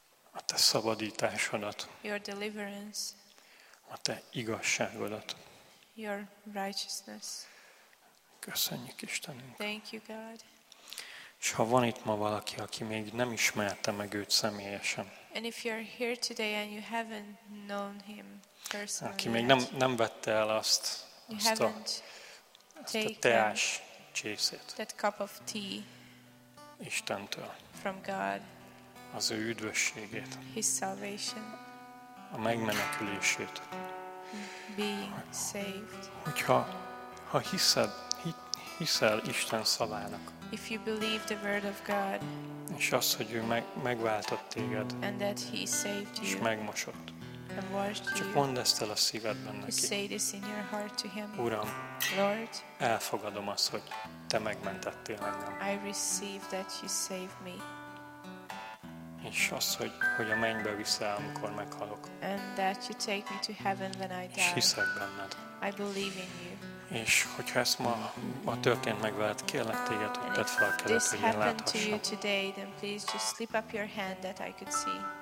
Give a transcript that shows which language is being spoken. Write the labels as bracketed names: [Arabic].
[Hungarian] A te szabadításodat. [English] Your deliverance. [Hungarian] A te igazságodat. [English] Your righteousness. [Hungarian] Köszönjük Istenünk. [English] Thank you God. [Hungarian] És ha van itt ma valaki, aki még nem ismerte meg őt személyesen. [English] And if you're here today and you haven't known him personally. [Hungarian] Aki még nem vette el azt a teás csészét. [English] That cup of tea. [Hungarian] Istentől. [English] From God. [Hungarian] Az ő üdvösségét. [English] His salvation. [Hungarian] A megmenekülését. [English] Being saved. [Hungarian] Hogyha hiszel Isten szavának. [English] if you believe the word of God. [Hungarian] És az, hogy ő megváltott téged. [English] And that he saved you. [Hungarian] És megmosott. [English] And washed you. [Hungarian] Csak mondd ezt el a szívedben neki. [English] Say this in your heart to him. [Hungarian] Uram, [English] Lord, [Hungarian] elfogadom azt, hogy te megmentettél engem. [English] I receive that you saved me. [Hungarian] És az, hogy, hogy a mennybe viszel, amikor meghalok. [English] And that you take me to heaven when I die. [Hungarian] És hiszek benned. [English] I believe in you. [Hungarian] És hogyha ez ma történt meg veled, kérlek téged, hogy tedd fel a kezed, hogy én láthassam. [English] If this happened to you today, then please just slip up your hand that I could see.